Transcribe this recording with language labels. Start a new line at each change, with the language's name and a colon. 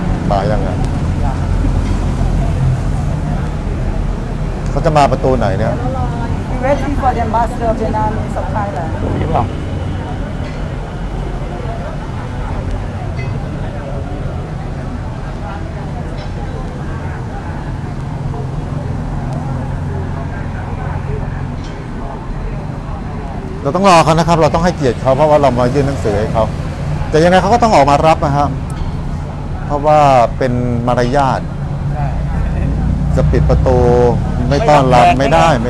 Thai: มายังไงเขาจะมาประตูไหนเนี่ย
English: We waiting for the ambassador of Vietnam in South Thailand
Thai: เราต้องรอเขานะครับเราต้องให้เกียรติเขาเพราะว่าเรามายื่นหนังสือให้เขาแต่ยังไงเขาก็ต้องออกมารับนะครับเพราะว่าเป็นมารยาทจะปิดประตูไม่ต้อนรับไม่ได้